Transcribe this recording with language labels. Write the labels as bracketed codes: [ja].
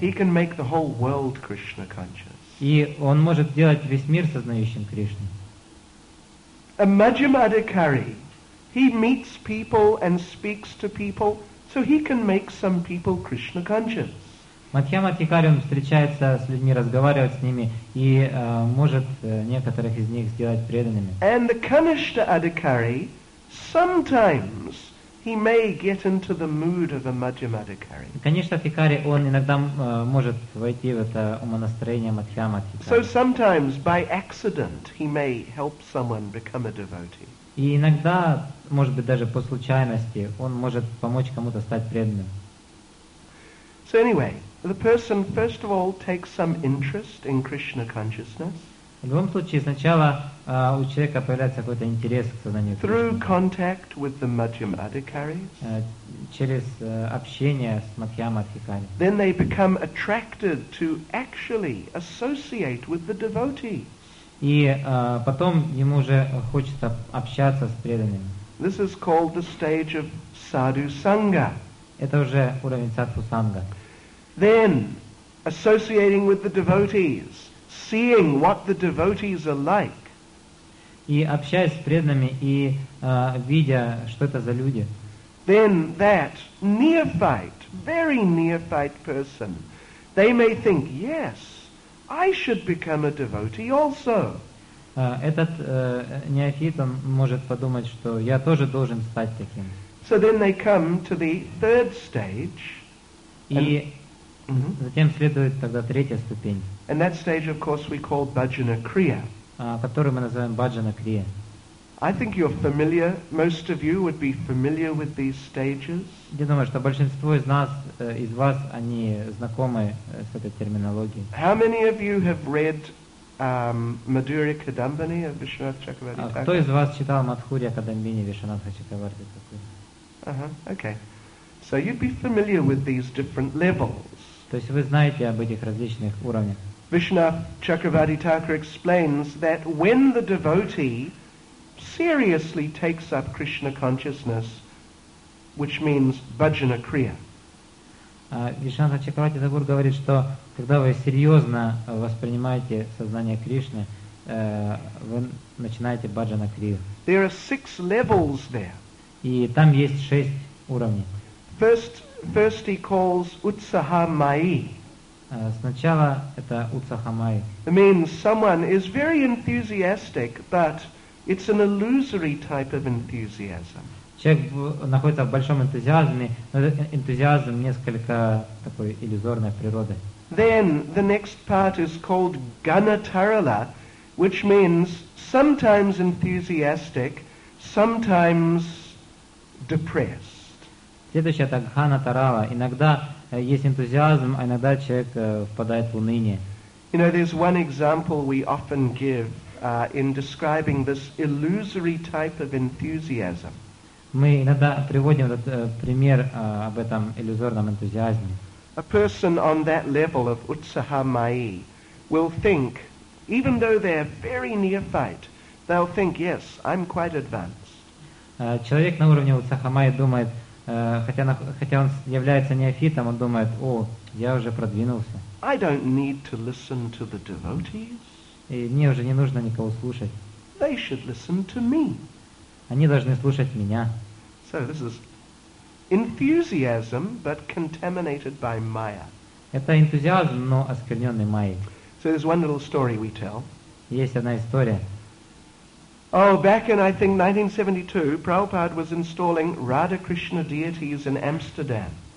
[en] He can make the whole world Krishna conscious. [ru] И он может делать весь мир сознающим Кришну. [en] A Madhyama Adhikari He meets people and speaks to people, so he can make some people Krishna conscious. [ru] Мадхьяма Тхикари, он встречается с людьми, разговаривает с ними и может некоторых из них сделать преданными. [en] And the Kanishtha Adhikari, sometimes he may get into the mood of a Madhyam Adhikari. [ru] Конечно, Тхикари, он иногда может войти в это умонастроение Мадхьяма Тхикари. [en] So sometimes, by accident, he may help someone become a devotee. [ru] И иногда, может быть, даже по случайности, он может помочь кому-то стать преданным. [en] So anyway, the person first of all takes some interest in Krishna consciousness. [ru] В любом случае, сначала у человека появляется какой-то интерес к сознанию Кришны. [en] Through contact with the Madhyam Adhikaris. [ru] Через общение с Мадхьяма Адхикари. [en] Then they become attracted to actually associate with the devotees. [ru] И потом ему уже хочется общаться с преданными. [en] This is called the stage of sadhu sangha. [ru] Это уже уровень садху санга. [en] Then, associating with the devotees, seeing what the devotees are like. [ru] И общаясь с преданными и видя, что это за люди. [en] Then that neophyte, very neophyte person, they may think, yes, I should become a devotee also. [ru] Этот неофит, он может подумать, что я тоже должен стать таким. [en] So then they come to the third stage. [ru] И затем следует тогда третья ступень. [en] And that stage, of course, we call Bhajana Kriya. [ru] Которую мы называем Bhajana Kriya. [en] I think you're familiar, most of you would be familiar with these stages. [ru] Я думаю, что большинство из нас, из вас, они знакомы с этой терминологией. [en] How many of you have read Madhurya Kadambini of Vishwanatha Chakravarti Thakura? [ru] Кто из вас читал Мадхурья Кадамбини Вишванатха Чакраварти Такура? [en] Okay. So you'd be familiar with these different levels. [ru] То есть вы знаете об этих различных уровнях. [en] Vishwanatha Chakravarti Thakura explains that when the devotee seriously takes up Krishna consciousness, which means Bhajana Kriya. [ru] Вишванатха Чакраварти Тхакур говорит, что когда вы серьезно воспринимаете сознание Кришны, вы начинаете Bhajana Kriya. [en] There are six levels there. [ru] И там есть шесть уровней. [en] First he calls Utsahamayi. [ru] Сначала это Utsahamayi. [en] It means someone is very enthusiastic, but it's an illusory type of enthusiasm. [ru] Человек находится в большом энтузиазме, но энтузиазм несколько такой иллюзорной природы. [en] Then the next part is called Ganatarala, which means sometimes enthusiastic, sometimes depressed. [ru] Следующее это Ганатарала. Иногда есть энтузиазм, а иногда человек впадает в уныние. [en] You know, there's one example we often give in describing this illusory type of enthusiasm. [ru] Мы иногда приводим этот пример об этом иллюзорном энтузиазме. [en] A person on that level of Utsahamayi will think, even though they're very neophyte, they'll think, yes, I'm quite advanced. [ru] Человек на уровне Utsahamayi думает, хотя он является неофитом, он думает, о, я уже продвинулся. [en] I don't need to listen to the devotees. [ru] И мне уже не нужно никого слушать. [en] They should listen to me. [ru] Они должны слушать меня. [en] So this is enthusiasm, but contaminated by Maya. [ru] Это энтузиазм, но оскверненный Майей. [en] So there's one little story we tell. [ru] Есть одна история. [en] Oh, back in, I think, 1972, Prabhupada was installing Radha Krishna deities in Amsterdam.